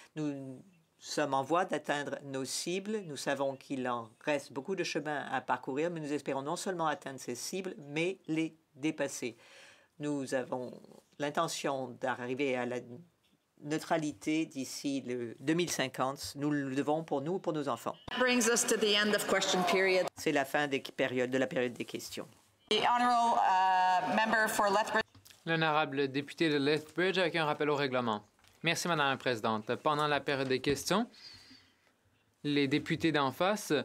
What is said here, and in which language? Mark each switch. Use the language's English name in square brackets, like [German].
[French] Nous sommes en voie d'atteindre nos cibles. Nous savons qu'il en reste beaucoup de chemin à parcourir, mais nous espérons non seulement atteindre ces cibles, mais les dépasser. Nous avons l'intention d'arriver à la neutralité d'ici le 2050. Nous le devons pour nous, pour nos enfants. [English] Brings us to the end of question period. [French] C'est la fin de la période des questions. [English] The honorable member for Lethbridge. [French] L'honorable député de Lethbridge avec un rappel au règlement. Merci, Madame la Présidente. Pendant la période des questions, les députés d'en face